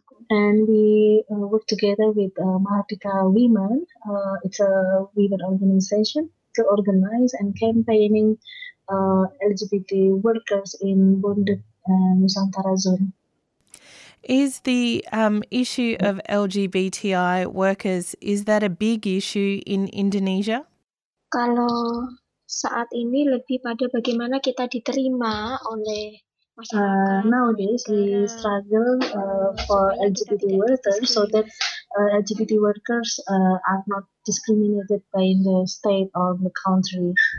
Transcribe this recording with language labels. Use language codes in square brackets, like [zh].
[en] And we worked together with Mahardika Women, it's a women organization, to organize and campaigning LGBT workers in Bunda Nusantara zone. Is the issue of LGBTI workers, is that a big issue in Indonesia? [id] Kalau saat ini lebih pada bagaimana kita diterima oleh [en] Nowadays, we struggle for LGBT workers so that LGBT workers are not discriminated by the state or the country.